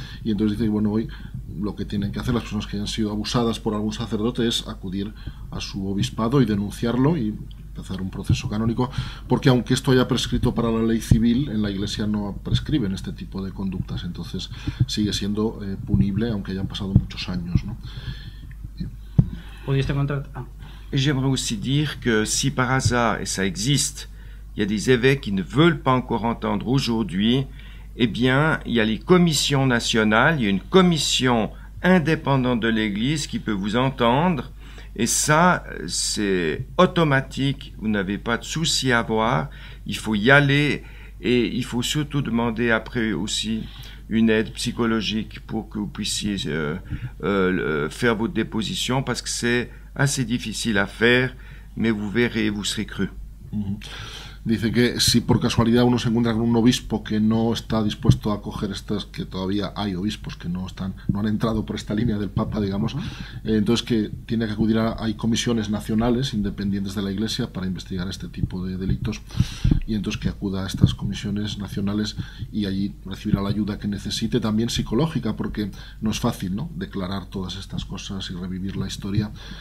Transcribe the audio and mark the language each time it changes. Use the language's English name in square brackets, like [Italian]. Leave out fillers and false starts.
[Spanish] Y entonces dice, bueno, hoy lo que tienen que hacer las personas que hayan sido abusadas por algún sacerdote es acudir a su obispado y denunciarlo y empezar un proceso canónico, porque aunque esto haya prescrito para la ley civil, en la Iglesia no prescriben este tipo de conductas. Entonces sigue siendo punible aunque hayan pasado muchos años, ¿no? ¿Pudiste contar? [French] Et j'aimerais aussi dire que si par hasard, et ça existe, il y a des évêques qui ne veulent pas encore entendre aujourd'hui, eh bien, il y a les commissions nationales, il y a une commission indépendante de l'Église qui peut vous entendre, et ça, c'est automatique, vous n'avez pas de souci à avoir, il faut y aller, et il faut surtout demander après aussi une aide psychologique pour que vous puissiez faire votre déposition, parce que c'est assez [Spanish] difícil a hacer, [French] me vous verrez, vous serez cru. [Spanish] Dice que si por casualidad uno se encuentra con un obispo que no está dispuesto a coger estas, que todavía hay obispos que no han entrado por esta línea del Papa, digamos, entonces que tiene que acudir a, hay comisiones nacionales independientes de la Iglesia para investigar este tipo de delitos, y entonces que acuda a estas comisiones nacionales y allí recibirá la ayuda que necesite, también psicológica, porque no es fácil, ¿no?, declarar todas estas cosas y revivir la historia.